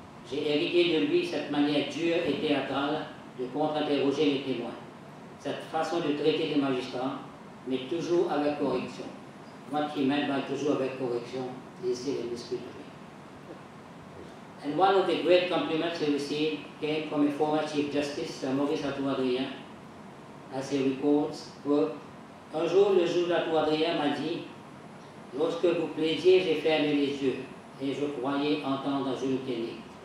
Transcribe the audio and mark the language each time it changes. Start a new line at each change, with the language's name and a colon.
French: J'ai hérité de lui cette manière dure et théâtrale de contre-interroger les témoins, cette façon de traiter les magistrats, mais toujours avec correction.
English: What he meant by
French: toujours avec correction,
English: this is indisputable." And one of the great compliments he received came from a former Chief Justice, Sir Maurice Atou-Adrien. As he recalls, quote,
French: "Un jour, le juge Atou-Adrien m'a dit, lorsque vous plaidiez, j'ai fermé les yeux et je croyais entendre Jules Kenny.